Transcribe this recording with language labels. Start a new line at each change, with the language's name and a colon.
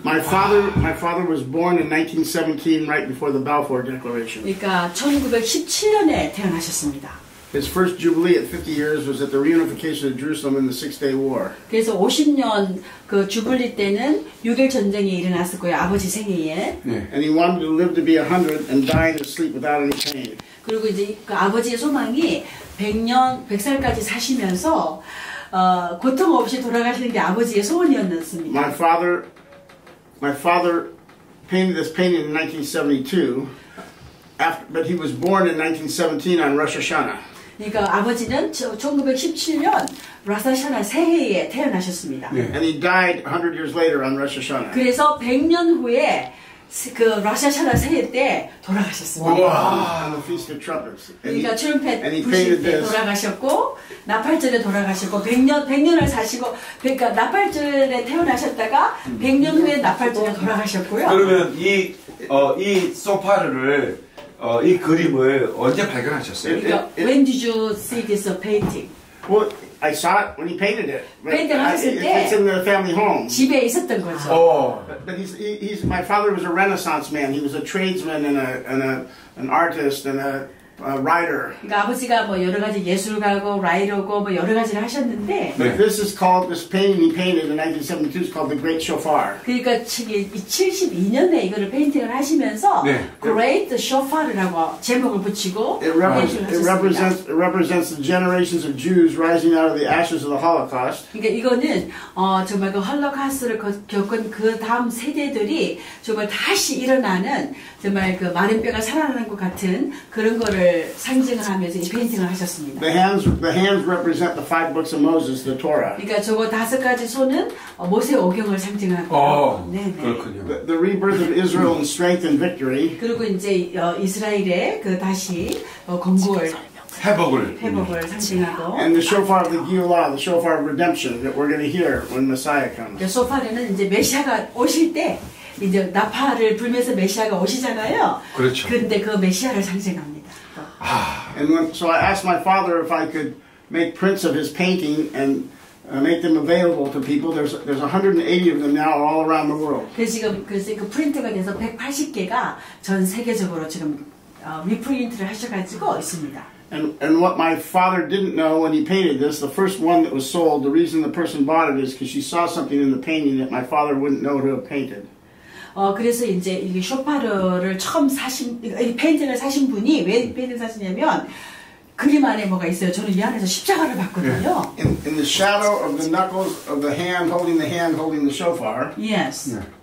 English: My father was born in 1917 right before the Balfour Declaration.
Korean: 그러니까 1917년에 태어나셨습니다.
English: His first jubilee at 50 years was at the reunification of Jerusalem in the Six-Day War.
Korean: 그래서 50년 그 주블리 때는 6일 전쟁이 일어났을 거예요. 아버지 생일에. Yeah.
English: And he wanted to live to be 100 and die in his sleep without any pain.
Korean: 그리고 이제 그 아버지의 소망이 100년, 100살까지 사시면서 고통 없이 돌아가시는 게 아버지의 소원이었습니다.
English: My father painted this painting in 1972. But he was born in 1917 on Rosh Hashanah.
Korean: 그러니까 아버지는 1917년 Rosh Hashanah 새해에 태어나셨습니다. Yeah.
English: And he died 100 years later on Rosh Hashanah.
Korean: 그래서 100년 후에 그 Rosh Hashanah 새해 때 돌아가셨습니다.
English: Wow. The Feast of Trumpets.
Korean: 그러니까 트럼펫 부실 때 돌아가셨고 나팔절에 돌아가셨고 100년을 사시고 그러니까 나팔절에 태어나셨다가 100년 후에 나팔절에 돌아가셨고요. 그러면 이 소파르를 이 그림을 언제 발견하셨어요?
English: 그러니까, when did you see this painting? Well, I saw it when he painted it.
Korean: 페인팅하셨을 때
English: in the family home.
Korean: 집에 있었던 거죠.
English: But he's my father was a Renaissance man. He was a tradesman and an artist and a writer.
Korean: 그러니까 아버지가 뭐 여러 가지 예술가고 라이터고 뭐 여러 가지를 하셨는데.
English: But this is called this painting he painted in 1972 is called the Great Shofar.
Korean: 그러니까 72년에 이거를 페인팅을 하시면서 네. Great Shofar이라고 제목을 붙이고
English: It represents the generations of Jews rising out of the ashes of the Holocaust.
Korean: 그러니까 이거는 정말 그 홀로카스트를 겪은 그 다음 세대들이 정말 다시 일어나는 정말 그 마른 뼈가 살아나는 것 같은 그런 거를 상징을 하면서 이 페인팅을 하셨습니다.
English: The hands represent the five books of Moses, the Torah.
Korean: 그러니까 저거 다섯 가지 손은 모세 오경을 상징하고. 그렇군요.
English: The rebirth of Israel in strength and victory.
Korean: 그리고 이제 이스라엘의 그 다시 건국을 회복을 상징하고.
English: And the shofar of the Geulah, the shofar of redemption that we're going to hear when Messiah comes.
Korean: 그 소파르는 이제 메시아가 오실 때. 이제 나팔을 불면서 메시아가 오시잖아요. 그렇죠. 그런데 그 메시아를 상징합니다.
English: So I asked my father if I could make prints of his painting and make them available to people. There's 180 of them now all around the world.
Korean: 그래서 그 프린트가 돼서 180개가 전 세계적으로 지금 리프린트를 하셔가지고 있습니다.
English: And what my father didn't know when he painted this, the first one that was sold, the reason the person bought it is because she saw something in the painting that my father wouldn't know to have painted.
Korean: 그래서 이제 이 쇼파르를 처음 사신 페인팅을 사신 분이 왜 페인팅을 사시냐면 그림 안에 뭐가 있어요. 저는 이 안에서 십자가를 봤거든요.
English: In the shadow of the knuckles of the hand holding the shofar. Yes.